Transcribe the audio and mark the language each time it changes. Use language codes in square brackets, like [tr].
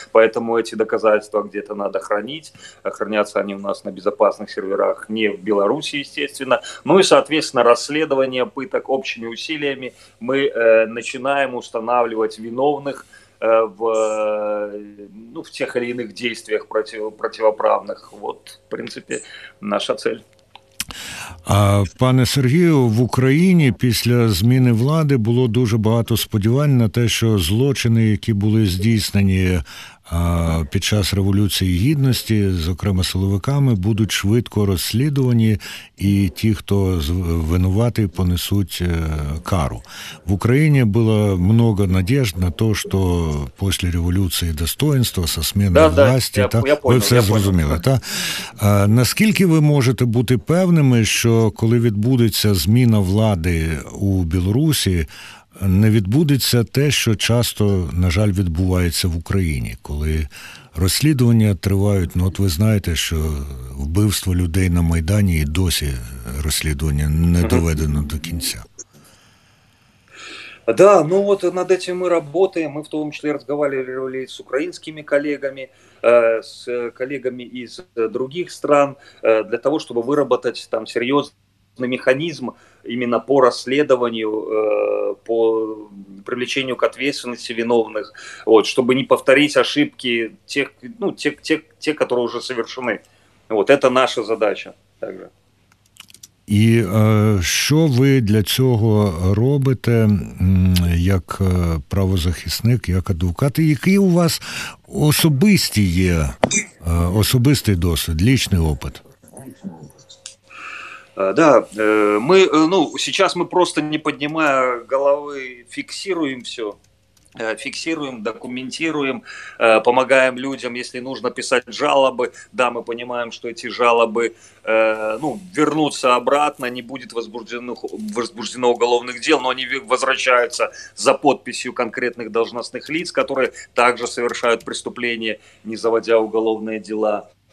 [ru] Поэтому эти доказательства где-то надо хранить. Хранятся они у нас на безопасных серверах, не в Беларуси, естественно. Ну и, соответственно, расследование пыток общими усилиями. Мы начинаем устанавливать виновных. в тех или иных действиях противоправных. Вот, [uk] в принципі, [ru] наша цель. [uk] Пане Сергію, в Україні після зміни влади було дуже багато сподівань на те, що злочини, які були здійснені під час Революції Гідності, зокрема силовиками, будуть швидко розслідувані, і ті, хто винуватий, понесуть кару. В Україні було [ru] много [uk] надіжд на те, що після Революції достоїнства, со зміни власті, ви все зрозуміли. Наскільки ви можете бути певними, що коли відбудеться зміна влади у Білорусі, не відбудеться те, що часто, на жаль, відбувається в Україні, коли розслідування тривають, ну от ви знаєте, що вбивство людей на Майдані і досі розслідування не доведено до кінця. [ru] Да, ну вот над этим мы работаем. Мы в том числе разговаривали с украинскими коллегами, с коллегами из других стран, для того, чтобы выработать там серьезный механизм именно по расследованию, по привлечению к ответственности виновных, вот, чтобы не повторить ошибки тех, которые уже совершены. Вот это наша задача также. [uk] І що ви для цього робите як правозахисник, як адвокат, і який у вас особисті є, особистий досвід, [ru] лічний опит? Да, мы, ну, сейчас мы просто не поднимая головы, фиксируем все. Фиксируем, документируем, помогаем людям, если нужно писать жалобы. Да, мы понимаем, что эти жалобы, ну, вернутся обратно, не будет возбуждено уголовных дел, но они возвращаются за подписью конкретных должностных лиц, которые также совершают преступления, не заводя уголовные дела.